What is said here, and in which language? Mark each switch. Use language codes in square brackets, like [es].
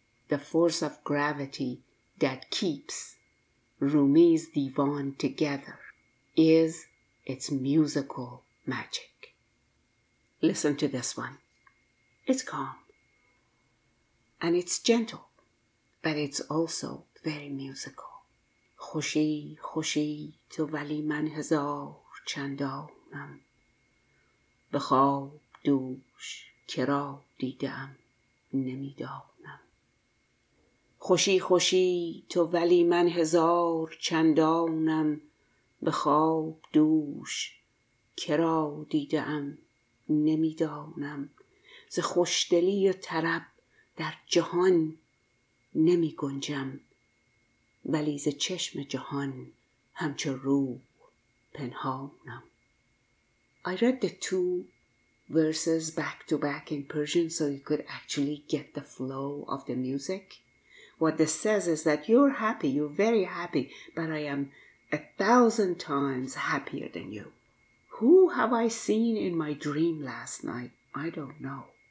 [en] The force of gravity that keeps Rumi's divan together is its musical magic. Listen to this one. It's calm. And it's gentle, but it's also very musical. [fa] خوشی خوشی تو ولی من هزار چندانم به خواب دوش کرا دیدم نمیدانم خوشی خوشی تو ولی من هزار چندانم به خواب دوش کرا دیدم نمیدانم ز خوشدلی و طرب در جهان نمی گنجم ولی ز چشم جهان همچو روح پنهانم. [en] I read the two verses back to back in Persian so you could actually get the flow of the music. What this says is that you're happy, you're very happy, but I am 1,000 times happier than you. Who have I seen in my dream last night? I don't know.